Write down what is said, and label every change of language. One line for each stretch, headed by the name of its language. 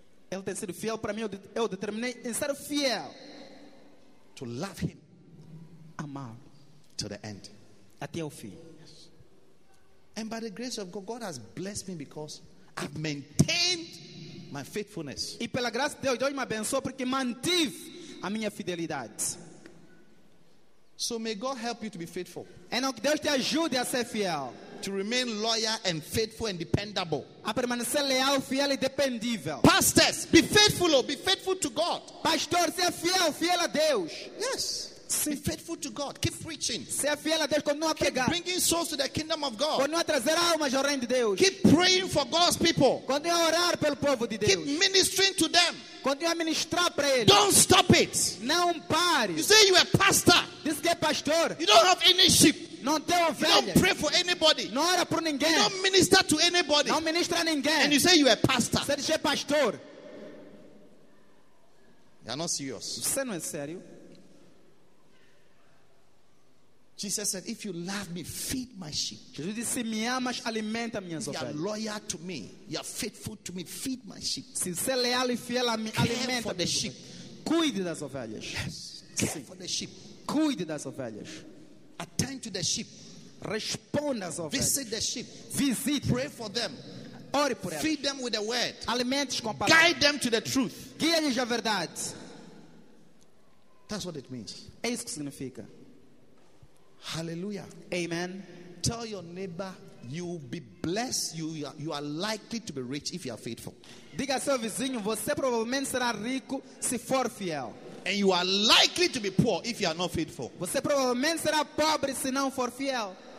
Portuguese: Ele tem sido fiel para mim. Eu determinei em ser fiel.
English: To love him.
Portuguese: Amar.
English: To the end.
Portuguese: Até o fim.
English: Yes. And by the grace of God, God has blessed me because I've maintained my faithfulness.
Portuguese: E pela graça de Deus, Deus me abençoou porque mantive a minha fidelidade.
English: So may God help you to be faithful.
Portuguese: Então que Deus te ajude a ser fiel.
English: To remain loyal and faithful and dependable.
Portuguese: A permanecer leal, fiel e dependível.
English: Pastors, be faithful, oh, be faithful to God.
Portuguese: Pastor, seja fiel, fiel a Deus.
English: Yes.
Portuguese: Sim.
English: Be faithful to God. Keep preaching.
Portuguese: Seja fiel a Deus, continue a pregar.
English: Keep bringing souls to the kingdom of God.
Portuguese: Continue a trazer almas ao reino de Deus.
English: Keep praying for God's people.
Portuguese: Continue a orar pelo povo de Deus.
English: Keep ministering to them.
Portuguese: Continue a ministrar para eles.
English: Don't stop it.
Portuguese: Não pare.
English: You say you are a pastor.
Portuguese: Diz que é pastor.
English: You don't have any sheep.
Portuguese: Não tem ovelha.
English: You don't pray for anybody.
Portuguese: Não ora por ninguém.
English: You don't minister to anybody.
Portuguese: Não ministra a ninguém.
English: And you say you are a pastor.
Portuguese: Você diz que é pastor.
English: You are not serious.
Portuguese: Você não é sério.
English: Jesus said, if you love me, feed my sheep.
Portuguese: Jesus disse, se me amas, alimenta minhas ovelhas.
English: You are loyal to me. You are faithful to me. Feed my sheep.
Portuguese: Se você é leal e fiel a mim, alimenta
English: for the sheep.
Portuguese: Cuide das ovelhas.
English: Yes. Care
Portuguese: Sim.
English: for the sheep.
Portuguese: Cuide das ovelhas.
English: Attend to the sheep.
Portuguese: Responda às ovelhas.
English: Visit the sheep.
Portuguese: Visite.
English: Pray for them.
Portuguese: Ore por elas.
English: Feed them with the word.
Portuguese: Alimente-os com a palavra.
English: Guide them to the truth.
Portuguese: Guie-lhes à verdade.
English: That's what it means.
Portuguese: É isso que significa.
English: Hallelujah. Amen. Tell your neighbor you will be blessed. You are likely to be rich if you are faithful.
Portuguese: Diga ao seu vizinho, você provavelmente será rico se for fiel.
English: And you are likely to be poor if you are not faithful.
Portuguese: Você provavelmente será pobre se não for fiel.